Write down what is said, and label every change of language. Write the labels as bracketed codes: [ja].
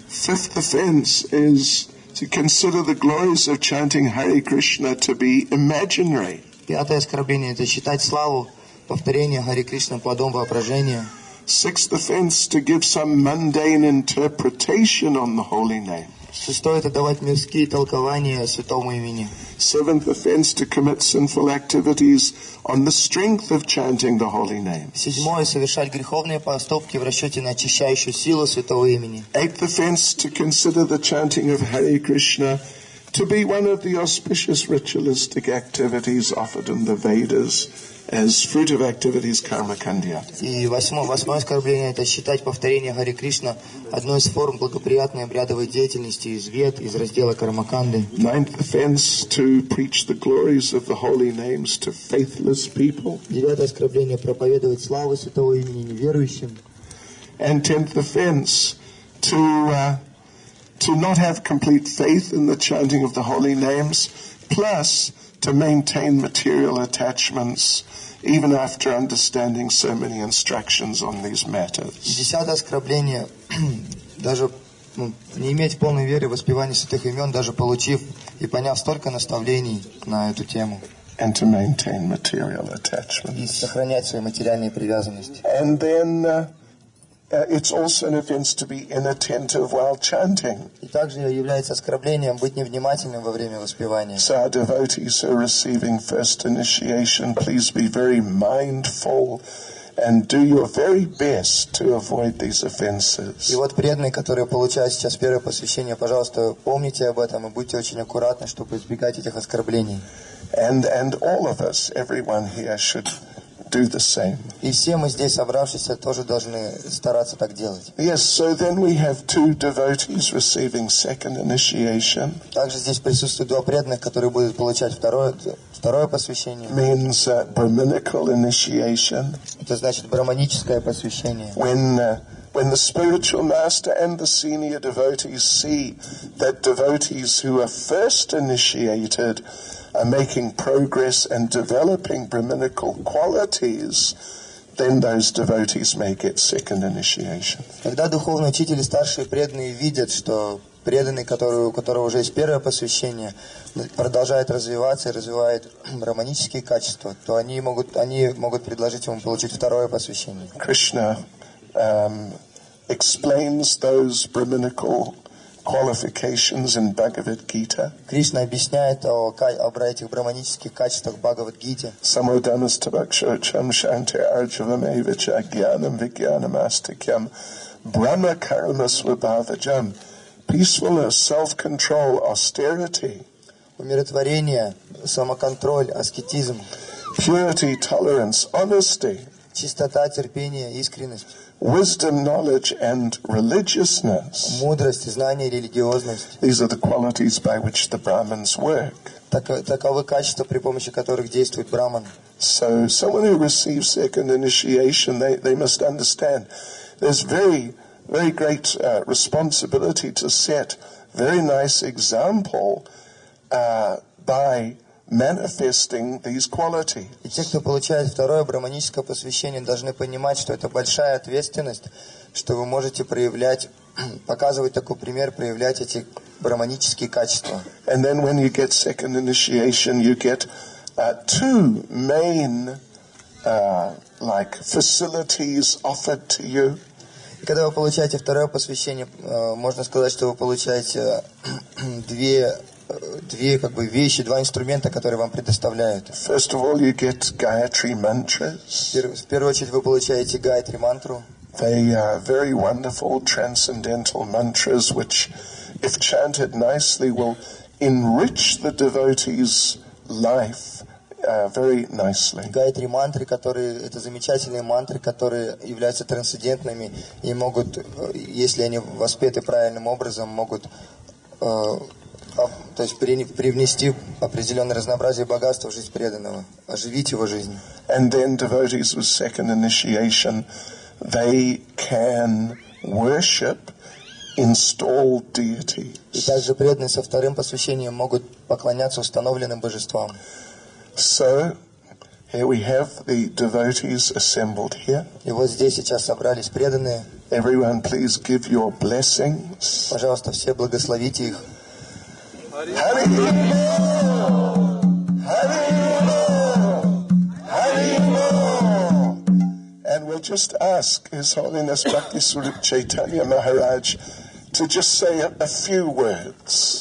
[en] Fifth offense is to consider the glories of chanting Hare Krishna to be imaginary. [ru] Пятое оскорбление – это считать славу повторения Хари Кришна плодом воображения. [en] Sixth offense – to give some mundane interpretation on the holy name. [ru] Шестое – это давать мирские толкования святому имени. [en] Seventh offense – to commit sinful activities on the strength of chanting the holy name. [ru] Седьмое – совершать греховные поступки в расчете на очищающую силу святого имени. [en] Eighth offense – to consider the chanting of Hare Krishna to be one of the auspicious ritualistic activities offered in the Vedas as fruit of activities karma kandya. [ru] И восьмое оскорбление это считать повторение Хари Кришна одной из форм благоприятной обрядовой деятельности из Вед, из раздела кармаканды. [en] Ninth offense to preach the glories of the holy names to faithless people. [ru] Девятое оскорбление проповедовать славу святого имени неверующим. [en] And tenth offense to not have complete faith in the chanting of the holy names, plus to maintain material attachments even after understanding so many instructions on these matters. [ru] Десятое оскорбление даже не иметь полной веры в воспевание святых имен, даже получив и поняв столько наставлений на эту тему. [en] And to maintain material attachments. [ru] И сохранять свои материальные привязанности. [en] And then it's also an offense to be inattentive while chanting. [ru] И также является оскорблением быть невнимательным во время воспевания. [en] So our devotees who are receiving first initiation, please be very mindful and do your very best to avoid these offenses. [ru] И вот преданные, которые получают сейчас первое посвящение, пожалуйста, помните об этом и будьте очень аккуратны, чтобы избегать этих оскорблений. [en] And all of us, everyone here should do the same. [ru] И все мы здесь собравшиеся тоже должны стараться так делать. [en] Yes, so then we have two devotees receiving second initiation. [ru] Также здесь присутствуют два преданных, которые будут получать второе посвящение. [en] Means brahminical initiation. [ru] Это значит брахманическое посвящение. [en] When the spiritual master and the senior devotees see that devotees who are first initiated are making progress and developing brahminical qualities, then those devotees may get second initiation. [ru] Когда духовные учители, старшие преданные видят, что преданный, у которого уже есть первое посвящение, продолжает развиваться и развивает брахманические качества, то они могут предложить ему получить второе посвящение. [en] Krishna explains those brahminical qualifications in Bhagavad Gita. [ru] Кришна объясняет об этих брахманических качествах в Бхагавад Гите. [sa] Самодамас табакшачам шанте арджавам эвича гьянам вигьянам астикьям брахма карма свабхаваджам. [en] Peacefulness, self-control, austerity. [ru] Умиротворение, самоконтроль, аскетизм. [en] Purity, tolerance, honesty. [ru] Чистота, терпение, искренность. [en] Wisdom, knowledge, and religiousness. [ru] Мудрость, знание, религиозность. [en] These are the qualities by which the Brahmins work. [ru] Таковы качества, при помощи которых действует Брахман. [en] So someone who receives second initiation, they must understand there's very, very great responsibility to set very nice example by manifesting these qualities. [ru] И те, кто получает второе брахманическое посвящение, должны понимать, что это большая ответственность, что вы можете показывать такой пример, проявлять эти брахманические качества. [en] And then when you get second initiation, you get two main facilities offered to you. [ru] И когда вы получаете второе посвящение, можно сказать, что вы получаете две две как бы вещи, два инструмента, которые вам предоставляют. [en] First of all, you get Gayatri mantras. [ru] В первую очередь вы получаете Gayatri мантру. [en] They are very wonderful transcendental mantras, which, if chanted nicely, will enrich the devotee's life very nicely. [ru] Gayatri мантры, которые это замечательные мантры, которые являются трансцендентными и могут, если они воспеты правильным образом, могут то есть привнести определенное разнообразие богатства в жизнь преданного, оживить его жизнь. [en] And then devotees with second initiation, they can worship installed deities. [ru] И также преданные со вторым посвящением могут поклоняться установленным божествам. [en] So, here we have the devotees assembled here. [ru] И вот здесь сейчас собрались преданные. [en] Everyone, please give your blessings. [ru] Пожалуйста, все благословите их. [sa] Hare Krishna! Hare Krishna! [en] Hare Krishna! And we'll just ask His Holiness Bhakti Swarup Chaitanya Maharaj to just say a few words.